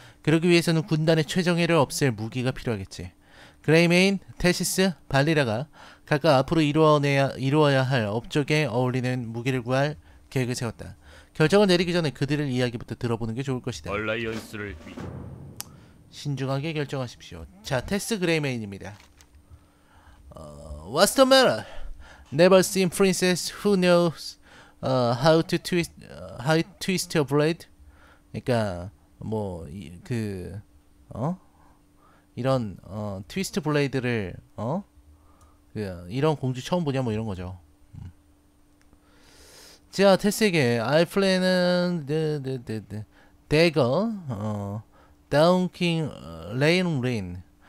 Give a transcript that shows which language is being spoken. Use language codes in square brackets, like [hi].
[ko] 그러기 위해서는 군단의 최정예를 없앨 무기가 필요하겠지. 그레이메인, 테시스, 발리라가 각각 앞으로 이루어야 할 업적에 어울리는 무기를 구할 계획을 세웠다. 결정을 내리기 전에 그들의 이야기부터 들어보는 게 좋을 것이다. 얼라이언스를 신중하게 결정하십시오. 자, 테스 그레이메인입니다. [en] What's the matter? Never seen princess who knows how to twist her blade? [ko] 그러니까 뭐 그 이런 트위스트 블레이드를 이런 공주 처음 보냐 뭐 이런 거죠. 자, 테스에게 I plan은 대거 다운킹 레인 린.